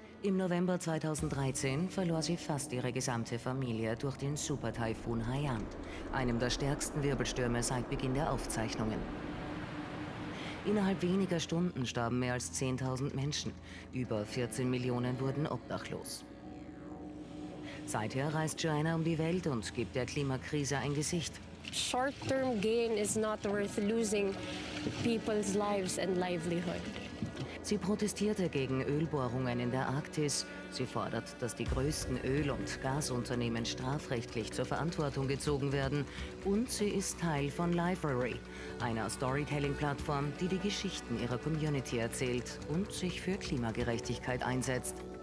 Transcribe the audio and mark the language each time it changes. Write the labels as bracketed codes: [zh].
[de] Im November 2013 verlor sie fast ihre gesamte Familie durch den Supertaifun Haiyan, einem der stärksten Wirbelstürme seit Beginn der Aufzeichnungen. Innerhalb weniger Stunden starben mehr als 10.000 Menschen. Über 14 Millionen wurden obdachlos. Seither reist Joanna um die Welt und gibt der Klimakrise ein Gesicht. [en] Short-term gain is not worth losing people's lives and livelihood. [de] Sie protestierte gegen Ölbohrungen in der Arktis. Sie fordert, dass die größten Öl- und Gasunternehmen strafrechtlich zur Verantwortung gezogen werden. Und sie ist Teil von Livery, einer Storytelling-Plattform, die die Geschichten ihrer Community erzählt und sich für Klimagerechtigkeit einsetzt.